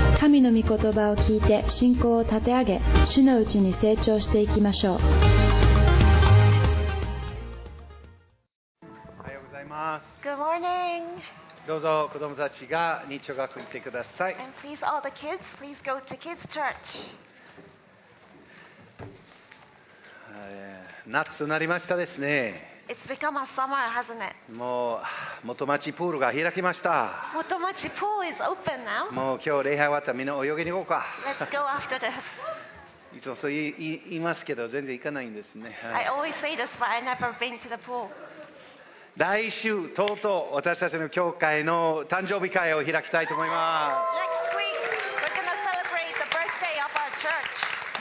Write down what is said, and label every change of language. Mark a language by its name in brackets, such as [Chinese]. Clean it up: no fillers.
[Japanese] 神の御言葉を聞いて信仰を立て上げ、主のうちに成長していきましょう。おはようございます。 [English] Good morning. [Japanese] どうぞ子供たちが日曜学校に来てください。 [English] And please all the kids, please go to kids church. [Japanese] 夏となりましたですね。 [English] It's become a summer, hasn't it? [Japanese] もう元町プールが開きました。 [English] 元町プール is open now. [Japanese] もう今日礼拝終わったらみんな泳ぎに行こうか。 [English] Let's go after this. [Japanese] いつもそう言いますけど全然行かないんですね。 [English] I always say this, but I never been to the pool. [Japanese] 来週とうとう私たちの教会の誕生日会を開きたいと思います。